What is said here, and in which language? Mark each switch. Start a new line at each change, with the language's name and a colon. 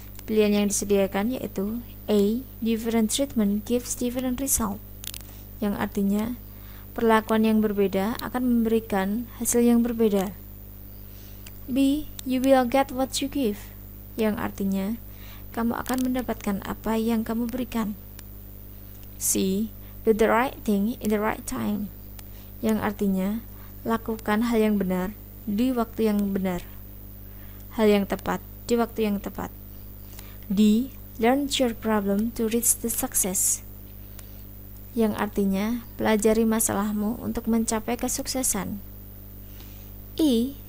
Indonesian: Pilihan yang disediakan yaitu A.
English: Different treatment gives different result.
Indonesian: Yang artinya, perlakuan yang berbeda akan memberikan hasil yang berbeda. B.
English: You will get what you give.
Indonesian: Yang artinya, kamu akan mendapatkan apa yang kamu berikan. C.
English: Do the right thing in the right time.
Indonesian: Yang artinya, lakukan hal yang benar di waktu yang benar. Hal yang tepat di waktu yang tepat.
English: D. Learn your problem to reach the success.
Indonesian: Yang artinya, pelajari masalahmu untuk mencapai kesuksesan. E.